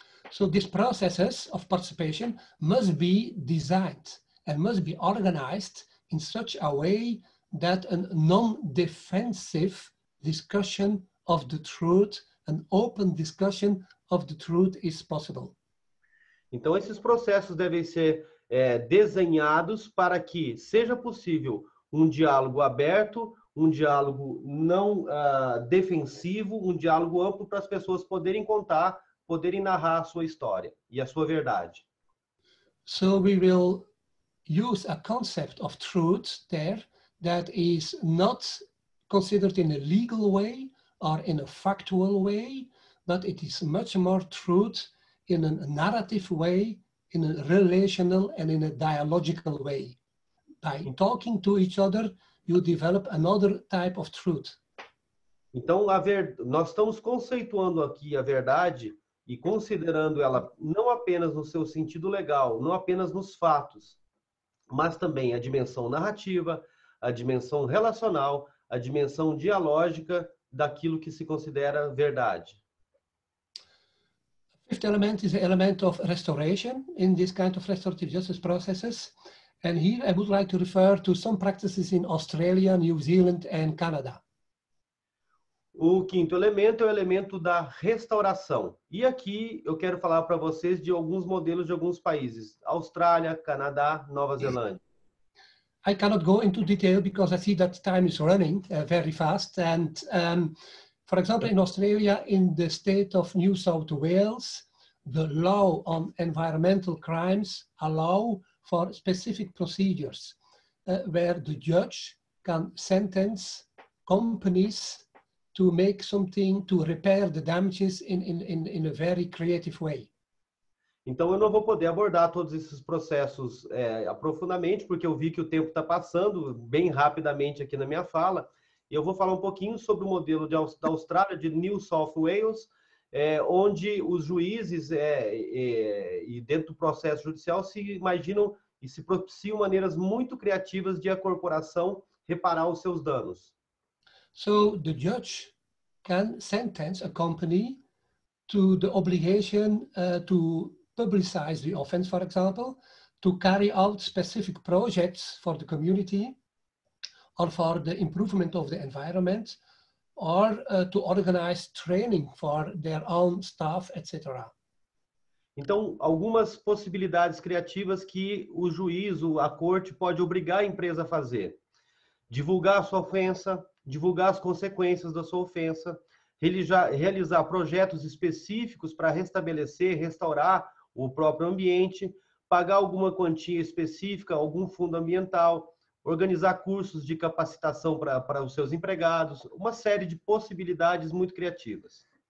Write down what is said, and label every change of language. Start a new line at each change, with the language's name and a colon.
English: So these processes of participation must be designed and must be organized in such a way that a non-defensive discussion of the truth, an open discussion of the truth is possible.
Portuguese: Então esses processos devem ser desenhados para que seja possível um diálogo aberto, um diálogo não defensivo, um diálogo amplo para as pessoas poderem contar, poderem narrar a sua história e a sua verdade.
English: So we will use a concept of truth there that is not considered in a legal way or in a factual way, but it is much more truth in a narrative way, in a relational and in a dialogical way. By talking to each other, you develop another type of truth.
Portuguese: Então, nós estamos conceituando aqui a verdade e considerando ela não apenas no seu sentido legal, não apenas nos fatos, mas também a dimensão narrativa, a dimensão relacional, a dimensão dialógica daquilo que se considera verdade.
English: The fifth element is the element of restoration in this kind of restorative justice processes. And here I would like to refer to some practices in Australia, New Zealand and Canada.
Portuguese: O quinto elemento é o elemento da restauração. E aqui eu quero falar para vocês de alguns modelos de alguns países: Austrália, Canadá, Nova Zelândia.
English: I cannot go into detail because I see that time is running very fast. And, for example, in Australia, in the state of New South Wales, the law on environmental crimes allow for specific procedures where the judge can sentence companies to make something, to repair the damages in a very creative way.
Portuguese: Então, eu não vou poder abordar todos esses processos aprofundamente, porque eu vi que o tempo está passando bem rapidamente aqui na minha fala. E eu vou falar um pouquinho sobre o modelo da Austrália, de New South Wales, onde os juízes, e dentro do processo judicial, se imaginam e se propiciam maneiras muito criativas de a corporação reparar os seus danos.
English: So, the judge can sentence a company to the obligation to publicize the offense, for example, to carry out specific projects for the community or for the improvement of the environment or to organize training for their own staff, etc.
Portuguese: Então, algumas possibilidades criativas que o juiz, a corte, pode obrigar a empresa a fazer: divulgar a sua ofensa, divulgar as consequências da sua ofensa, realizar projetos específicos para restabelecer, restaurar o próprio ambiente, pagar alguma quantia específica, algum fundo ambiental, organizar cursos de capacitação para os seus empregados, uma série de possibilidades muito criativas.